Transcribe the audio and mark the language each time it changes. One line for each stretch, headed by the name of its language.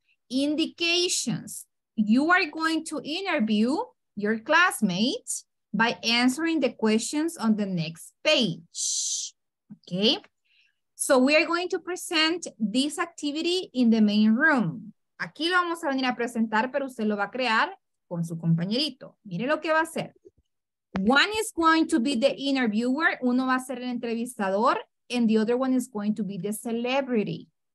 English: Indications. You are going to interview your classmates by answering the questions on the next page. Okay. So we are going to present this activity in the main room.
Spanish: Aquí lo vamos a venir a presentar, pero usted lo va a crear con su compañerito. Mire lo que va a hacer.
English: One is going to be the interviewer,
Spanish: uno va a ser el entrevistador,
English: and the other one is going to be the celebrity.